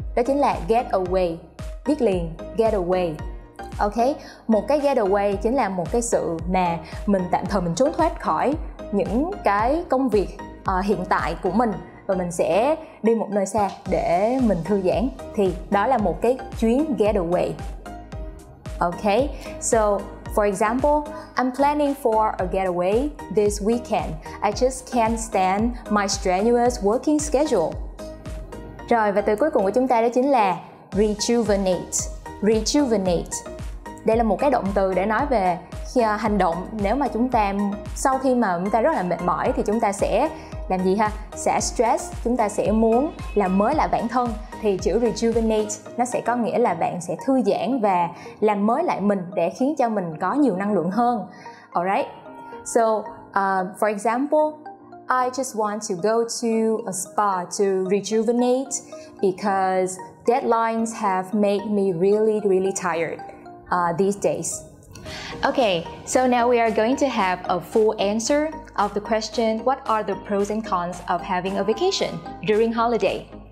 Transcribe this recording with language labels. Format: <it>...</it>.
<vi>Đó chính là get away, viết liền get away. Ok, một cái get away chính là một cái sự mà mình tạm thời mình trốn thoát khỏi những cái công việc hiện tại của mình và mình sẽ đi một nơi xa để mình thư giãn, thì đó là một cái chuyến get away.</vi> <en>Ok, so for example, I'm planning for a getaway this weekend. I just can't stand my strenuous working schedule.</en> <vi>Rồi, và từ cuối cùng của chúng ta đó chính là rejuvenate. Rejuvenate. Đây là một cái động từ để nói về hành động. Nếu mà chúng ta, sau khi mà chúng ta rất là mệt mỏi thì chúng ta sẽ làm gì ha? Sẽ stress, chúng ta sẽ muốn làm mới lại bản thân. Thì chữ rejuvenate nó sẽ có nghĩa là bạn sẽ thư giãn và làm mới lại mình để khiến cho mình có nhiều năng lượng hơn.</vi> <en>Alright, so for example, I just want to go to a spa to rejuvenate because deadlines have made me really, really tired these days. Okay, so now we are going to have a full answer of the question, what are the pros and cons of having a vacation during holiday?</en>